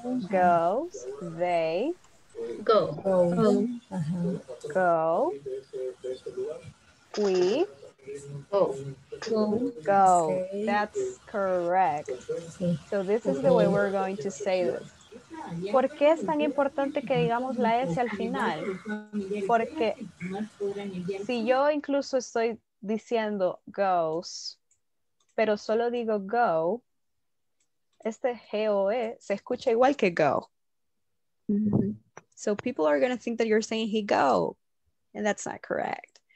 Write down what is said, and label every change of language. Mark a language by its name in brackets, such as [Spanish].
[English] Goes. They. Go. Go. Go. We. Go. Go. Go. That's correct. So this is the way we're going to say this. [Spanish] ¿Por qué es tan importante que digamos la S al final? Porque si yo incluso estoy diciendo goes, pero solo digo go, este G-O-E se escucha igual que go. [English] So people are going to think that you're saying he go, and that's not correct.